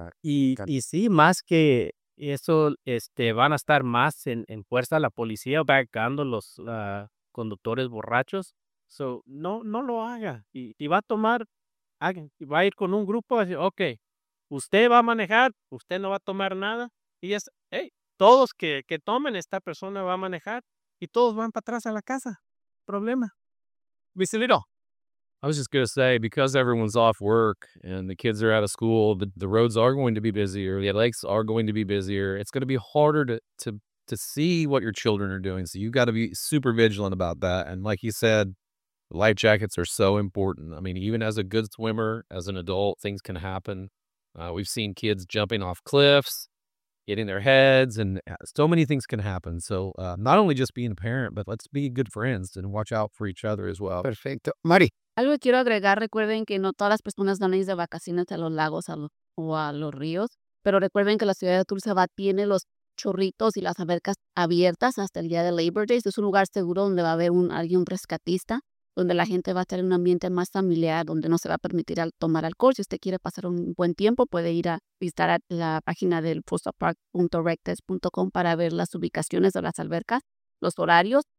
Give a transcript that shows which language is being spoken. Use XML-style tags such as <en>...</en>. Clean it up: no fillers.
<es>Y sí, más que eso, van a estar más en fuerza la policía backando los conductores borrachos. So, no lo haga. Y va a tomar, y va a ir con un grupo, así, ok, usted va a manejar, usted no va a tomar nada. Y es, hey. Todos que tomen, esta persona va a manejar y todos van para atrás a la casa. Problema.</es> <en>Mr. Little. I was just going to say, because everyone's off work and the kids are out of school, the roads are going to be busier. The lakes are going to be busier. It's going to be harder to see what your children are doing. So you've got to be super vigilant about that. And like you said, life jackets are so important. I mean, even as a good swimmer, as an adult, things can happen. We've seen kids jumping off cliffs, getting their heads, and so many things can happen. So not only just being a parent, but let's be good friends and watch out for each other as well.</en> <es>Perfecto. Mari. Algo quiero agregar, recuerden que no todas las personas van a ir de vacaciones a los lagos a los ríos, pero recuerden que la ciudad de Tulsa tiene los chorritos y las albercas abiertas hasta el día de Labor Day. Es un lugar seguro donde va a haber alguien rescatista, donde la gente va a estar en un ambiente más familiar, donde no se va a permitir tomar alcohol. Si usted quiere pasar un buen tiempo, puede ir a visitar la página del postalpark.rectes.com para ver las ubicaciones de las albercas, los horarios.</es>